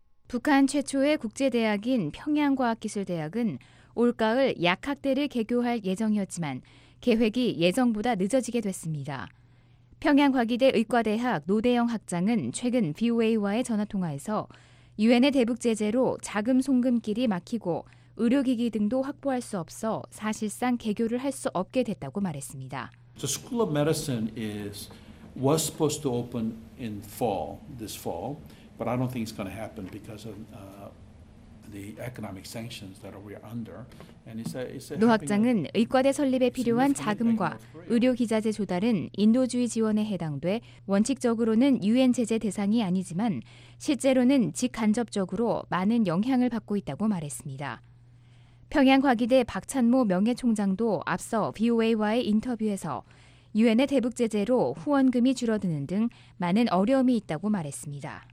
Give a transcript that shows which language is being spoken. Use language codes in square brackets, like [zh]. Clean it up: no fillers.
[ko] 북한 최초의 국제대학인 평양과학기술대학은 올가을 약학대를 개교할 예정이었지만 계획이 예정보다 늦어지게 됐습니다. 평양과기대 의과대학 노대영 학장은 최근 BOA와의 전화통화에서 유엔의 대북 제재로 자금 송금길이 막히고 의료기기 등도 확보할 수 없어 사실상 개교를 할 수 없게 됐다고 말했습니다. [en] The School of Medicine was supposed to open in this fall, but I don't think it's going to happen because of the economic sanctions that we are under. [ko] 노 학장은 의과대 설립에 필요한 자금과 의료 기자재 조달은 인도주의 지원에 해당돼 원칙적으로는 유엔 제재 대상이 아니지만 실제로는 직간접적으로 많은 영향을 받고 있다고 말했습니다. 평양과기대 박찬모 명예총장도 앞서 BOA와의 인터뷰에서 유엔의 대북 제재로 후원금이 줄어드는 등 많은 어려움이 있다고 말했습니다.